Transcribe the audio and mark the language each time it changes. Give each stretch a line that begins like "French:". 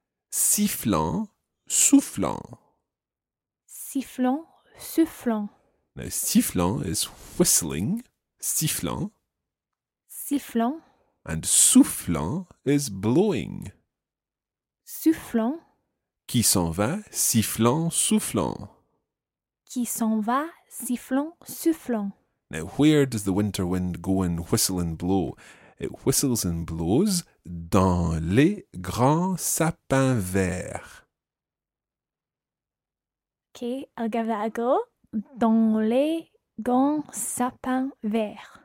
French: Sifflant, soufflant. Sifflant, soufflant.
English: Now, sifflant is whistling, sifflant.
French: Sifflant.
English: And soufflant is blowing.
French: Soufflant. Qui s'en va, sifflant, soufflant. Qui s'en va, sifflant, soufflant.
English: Now, where does the winter wind go and whistle and blow? It whistles and blows
French: dans les grands sapins verts.
English: Okay, I'll give that a go.
French: Dans les grands sapins verts.